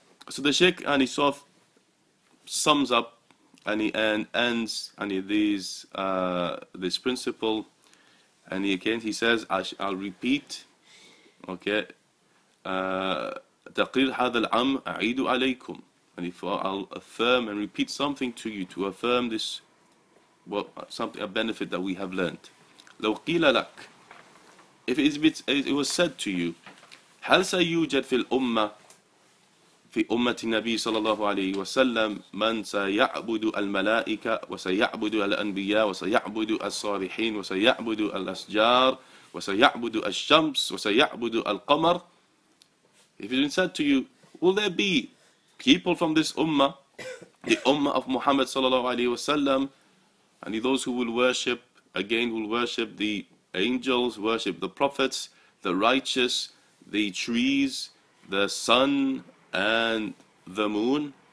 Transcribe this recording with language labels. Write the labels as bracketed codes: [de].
[en] So the Sheikh sort of sums up and ends this principle, and again he says, I'll repeat, okay, [ar] تقرير هذا العم أعيد عليكم. [en] And if I'll affirm and repeat something to you to affirm this, well, something, a benefit that we have learned. [ar] لو قيل لك, [en] if it was said to you, [ar] هل سيوجد في الأمة في أمة النبي صلى الله عليه وسلم من سيعبد الملائكة وسيعبد الأنبياء وسيعبد الصالحين وسيعبد الأشجار وسيعبد الشمس وسيعبد القمر. [en] If it's been said to you, will there be people from this ummah, the ummah of Muhammad sallallahu alaihi wasallam, and those who will worship, again will worship the angels, worship the prophets, the righteous, the trees, the sun and the moon?